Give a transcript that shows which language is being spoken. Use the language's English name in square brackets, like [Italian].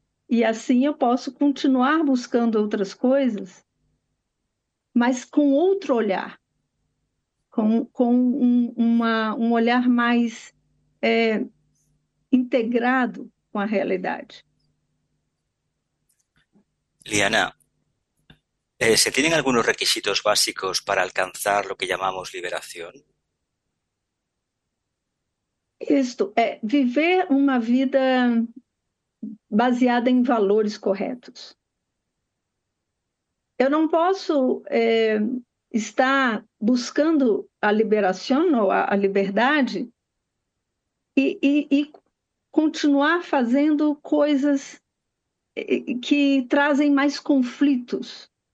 [Portuguese] E assim eu posso continuar buscando outras coisas, mas com outro olhar, com um olhar mais integrado com a realidade. [Spanish] Liana, ¿se tienen algunos requisitos básicos para alcanzar lo que llamamos liberación? [Portuguese] Isto é viver uma vida baseada em valores corretos. Eu não posso estar buscando a liberação ou a liberdade e continuar fazendo coisas que trazem mais conflitos.